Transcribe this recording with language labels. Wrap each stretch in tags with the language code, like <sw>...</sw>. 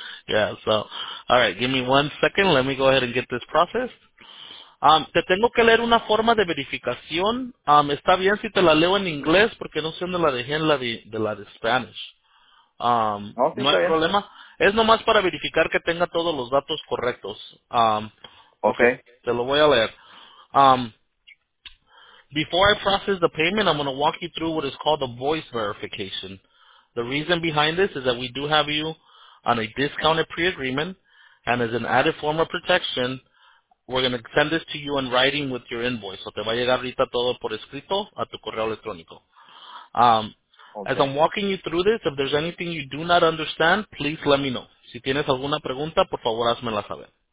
<en>Yeah, so, alright, give me one second, let me go ahead and get this processed.</en> <es>Te tengo que leer una forma de verificación. Está bien si te la leo en inglés, porque no sé dónde la dejé en la de Spanish. No hay problema. Es nomás para verificar que tenga todos los datos correctos.</es> <en>Okay.</en> <es>Te lo voy a leer.</es> <en>Before I process the payment, I'm going to walk you through what is called a voice verification. The reason behind this is that we do have you on a discounted pre-agreement, and as an added form of protection, we're going to send this to you in writing with your invoice.</en> <es>So te va a llegar ahorita todo por escrito a tu correo electrónico.</es> <en>Okay. As I'm walking you through this, if there's anything you do not understand, please let me know.</en> <es>Si tienes alguna pregunta, por favor, házmela saber.</es>